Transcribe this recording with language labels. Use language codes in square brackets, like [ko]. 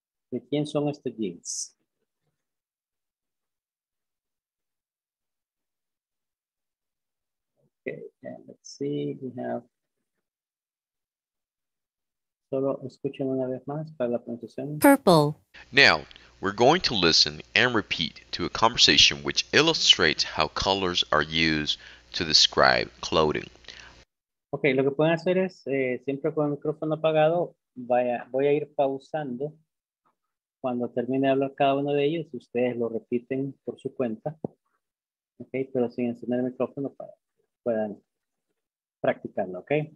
[es] ¿De quién son estos jeans? [en] Okay, and let's see, we have. [es] Solo escuchen una vez más para la pronunciación. [en] Purple. Now, we're going to listen and repeat to a conversation which illustrates how colors are used to describe clothing. [es] Okay, lo que pueden hacer es siempre con el micrófono apagado, voy a ir pausando cuando termine de hablar cada uno de ellos, ustedes lo repiten por su cuenta. Okay, pero sin encender el micrófono para puedan practicarlo, okay?